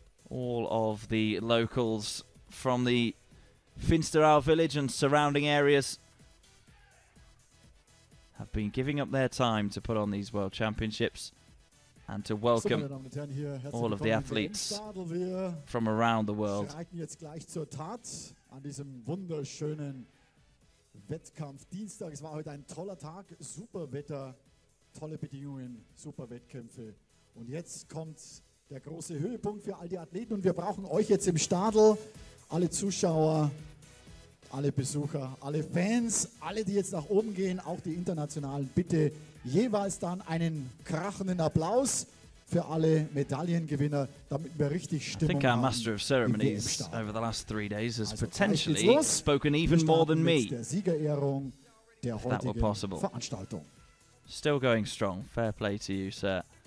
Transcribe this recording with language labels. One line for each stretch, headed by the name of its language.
English: All of the locals from the Finsteraar village and surrounding areas have been giving up their time to put on these World Championships and to welcome all of the athletes from around the world.
German: Wir schreiten jetzt gleich zur Tat an diesem wunderschönen Wettkampf Dienstag. Es war heute ein toller Tag, super Wetter, tolle Bedingungen, super Wettkämpfe. Und jetzt kommt der große Höhepunkt für all die Athleten, und wir brauchen euch jetzt im Stadel, alle Zuschauer, alle Besucher, alle Fans, alle, die jetzt nach oben gehen, auch die Internationalen, bitte jeweils dann einen krachenden Applaus für alle Medaillengewinner, damit wir richtig Stimmung haben.
English: I think our Master of Ceremonies over the last three days has potentially spoken even more than me.
German: Der Siegerehrung der heutigen Veranstaltung.
English: Still going strong. Fair play to you, sir.